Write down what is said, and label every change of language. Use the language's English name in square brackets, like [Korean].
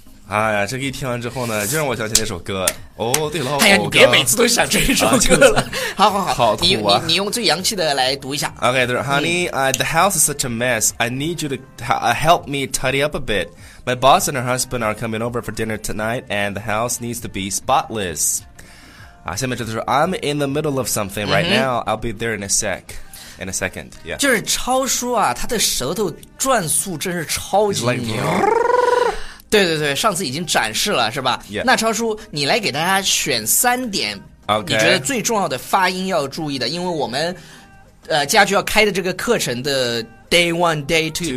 [Chinese] 哎呀，这个一听完之后呢，就让我想起那首歌。哦，对了，哎呀，你别每次都想这首歌了。好好好，好你用最洋气的来读一下。 [English] Okay, there, honey,、the house is such a mess. I need you to help me tidy up a bit. My boss and her husband are coming over for dinner tonight, and the house needs to be spotless. [Chinese] 啊，下面就是 [English] I'm in the middle of something right now. I'll be there in a sec, in a second. Yeah. [Chinese] 就是超叔啊，他的舌头转速真是超级牛。对对对，上次已经展示了，是吧？ [English] Yeah. [Chinese] 那超叔，你来给大家选三点， [English] okay. [Chinese] 你觉得最重要的发音要注意的，因为我们，接下去要开的这个课程的 Day One, Day Two,